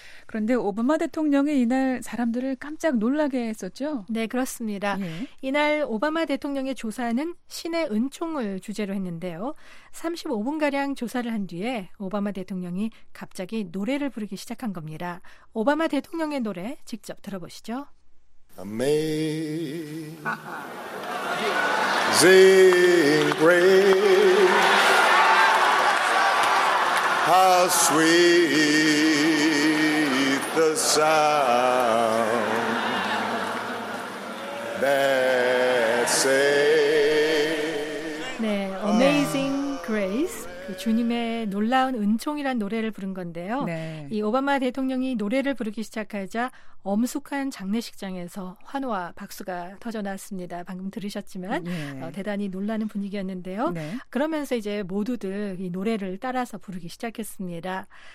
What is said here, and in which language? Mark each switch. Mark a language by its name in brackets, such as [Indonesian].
[Korean] 그런데 오바마 대통령이 이날 사람들을 깜짝 놀라게 했었죠? 네, 그렇습니다. 예. 이날 오바마 대통령의 조사는 신의 은총을 주제로 했는데요. 35분가량 조사를 한 뒤에 오바마 대통령이 갑자기 노래를 부르기 시작한 겁니다. 오바마 대통령의 노래 직접 들어보시죠. [English] Amazing grace, how sweet the sound that saved. [Korean] 네, Amazing Grace. 주님의 놀라운 은총이란 노래를 부른 건데요. 네. 이 오바마 대통령이 노래를 부르기 시작하자 엄숙한 장례식장에서 환호와 박수가 터져나왔습니다. 방금 들으셨지만 네. 대단히 놀라는 분위기였는데요. 네. 그러면서 이제 모두들 이 노래를 따라서 부르기 시작했습니다.